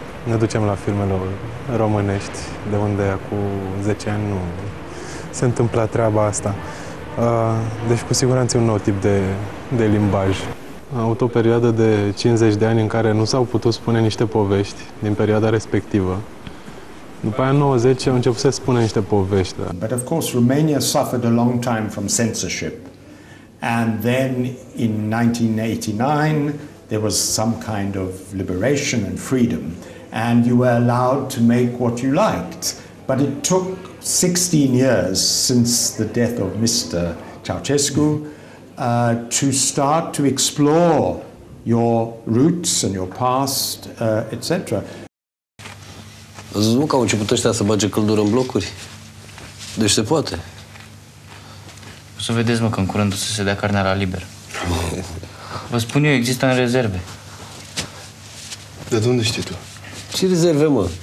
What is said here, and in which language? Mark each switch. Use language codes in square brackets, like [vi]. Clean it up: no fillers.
[ro] Ne ducem la filmele românești, de unde cu 10 ani nu se întâmpla treaba asta. Deci cu siguranță e un nou tip de limbaj. Am avut o perioadă de 50 de ani în care nu s-au putut spune niște povești din perioada respectivă. După aia 90 au început să spună niște povești. [en] But of course Romania suffered a long time from censorship. And then in 1989 there was some kind of liberation and freedom and you were allowed to make what you liked. But it took 16 years since the death of Mr. Ceaușescu to start to explore your roots and your past, etc. [ro] Ați văzut că au început ăștia să bage căldură în blocuri? Deci se poate. O să vedeți, mă, că în curând o să se dea carnea la liber. Vă spun eu, există în rezerve. De unde știi tu? Ce rezerve, mă?